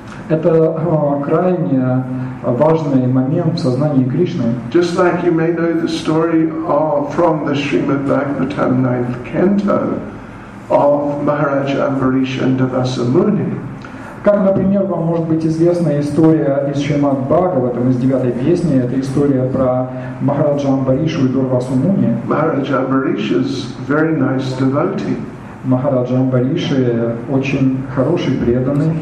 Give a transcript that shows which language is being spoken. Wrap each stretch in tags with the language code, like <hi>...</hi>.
<ru>Это крайне важный момент в сознании Кришны.</ru> <en>Just like you may know the story from the Srimad Bhagavatam 9th canto of Maharaj Ambarish and Devasa Muni.</en> <ru>Как, например, вам может быть известна история из Шримад Бхагаватам, из девятой песни, это история про Махараджа Амбаришу и Дурвасу Муни.</ru> <en>Махараджа Амбариш is very nice devotee.</en> <ru>Махараджа Амбариши очень хороший преданный.</ru>